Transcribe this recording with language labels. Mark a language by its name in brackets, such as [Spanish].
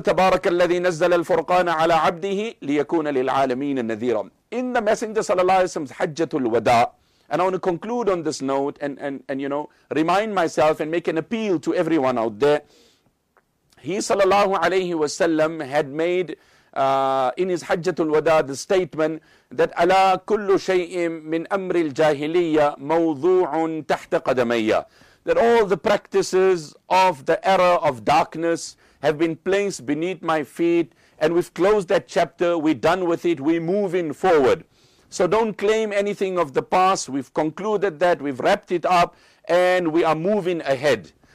[Arabic] تبارك الذي نزل الفرقان على عبده ليكون للعالمين نذيرا. [English] In the Messenger [Arabic] صلى الله عليه وسلم حجة الوداء. [English] And I want to conclude on this note and you know, remind myself and make an appeal to everyone out there. He [Arabic] صلى الله عليه وسلم [English] had made in his [Arabic] حجة الوداء [English] the statement that [Arabic] ألا كل شيء من أمر الجاهلية موضوع تحت قدمي. [English] That all the practices of the era of darkness have been placed beneath my feet, and we've closed that chapter, we're done with it, we're moving forward. So don't claim anything of the past, we've concluded that, we've wrapped it up, and we are moving ahead.